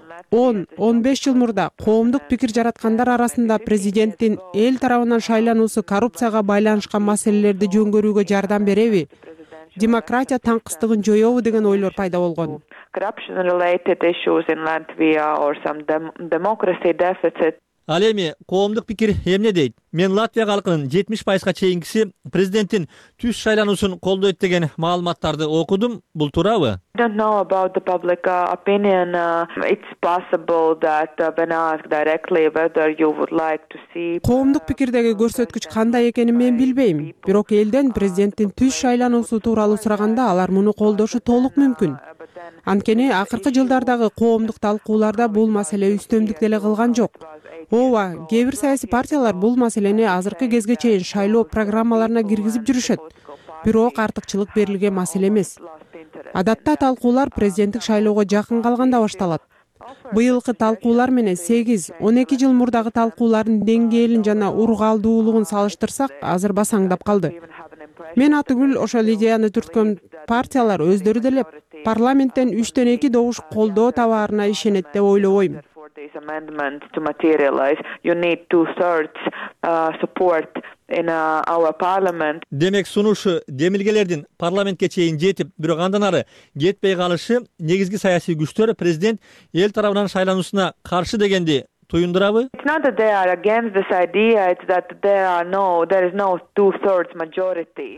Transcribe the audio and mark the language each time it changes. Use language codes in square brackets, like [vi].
[ky] 10-15 жыл мурда коомдук пикир жараткандар арасында президенттин эл тарабынан шайлануусу коррупцияга байланышкан маселелерди жөнгөрүүгө жардам береби, демократия таңкыстыгын жоёбу деген ойлор пайда болгон. Ал эми коомдук пикир эмне дейт? Мен Латвия халкынын 70%га чейинкиси президенттин түз шайлануусун колдойт деген маалыматтарды окудум. Бул туурабы? [en] I don't know about the public opinion. It's possible that when asked directly whether you would like to see [ky] коомдук пикирдеги көрсөткүч кандай экенин мен билбейм. Бирок элден президенттин түз шайлануусу тууралуу сураганда алар муну колдошу толук мүмкүн. Анткени акыркы жылдардагы коомдук талкууларда бул маселе үстөмдүк деле кылган жок. Ооба, кээ бир саясий партиялар бул маселени азыркы кезге чейин шайлоо программаларына киргизип жүрүшөт. Бирок артыкчылык берилген маселе эмес. Адатта талкуулар президенттик шайлоого жакын калганда башталат. Быйылкы талкуулар менен 8-12 жыл мурдагы талкуулардын деңгээлин жана ургаалдуулугун салыштырсак, азыр басаңдап калды. Мен атыгүл ошол идеяны түрткөн партиялар өздөрү деле парламенттен 3-2 добуш колдоо табарына ишенет деп ойлобойм. [en] This amendment to materialize, you need 2/3 support in our parliament. [ky] Демек сунушу демилгелердин парламентке чейин жетип, бирок андан ары жетпей калышы негизги саясий күчтөр президент эл тарабынан шайлануусуна каршы дегенди туюндурабы? [en] It's not that they are against this idea, it's that there is no 2/3 majority.